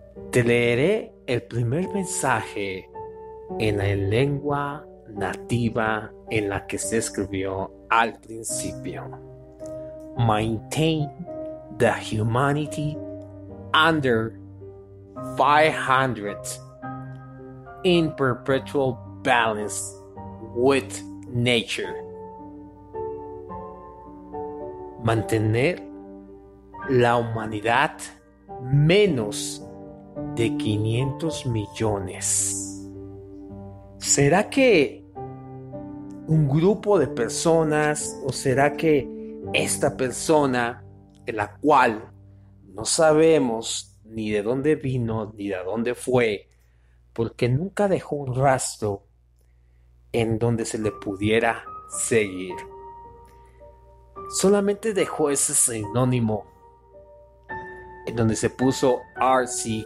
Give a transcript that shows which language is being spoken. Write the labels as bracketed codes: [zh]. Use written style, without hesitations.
[es] Te leeré el primer mensaje en la lengua nativa en la que se escribió al principio. [en] Maintain the humanity under 500 in perpetual balance with nature. [es] Mantener la humanidad menos de 500 millones. ¿Será que un grupo de personas, o será que esta persona, en la cual no sabemos ni de dónde vino ni de dónde fue, porque nunca dejó un rastro en donde se le pudiera seguir, solamente dejó ese sinónimo en donde se puso R.C.